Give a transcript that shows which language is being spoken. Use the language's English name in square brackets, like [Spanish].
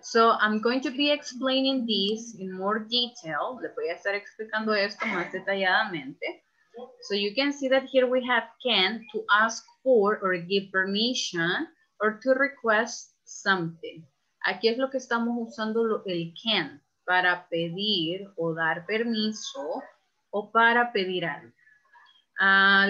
[English] So I'm going to be explaining this in more detail. [Spanish] Le voy a estar explicando esto más detalladamente. [English] So you can see that here we have can to ask for or give permission or to request something. [Spanish] Aquí es lo que estamos usando el can para pedir o dar permiso o para pedir algo.